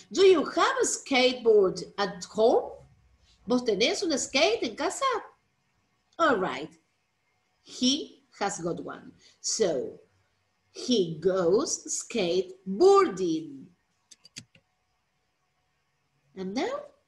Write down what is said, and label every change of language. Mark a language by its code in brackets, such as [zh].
[en] Do you have a skateboard at home? [es] ¿Vos tenés un skate en casa? [en] All right. He has got one. So, he goes skateboarding. And now,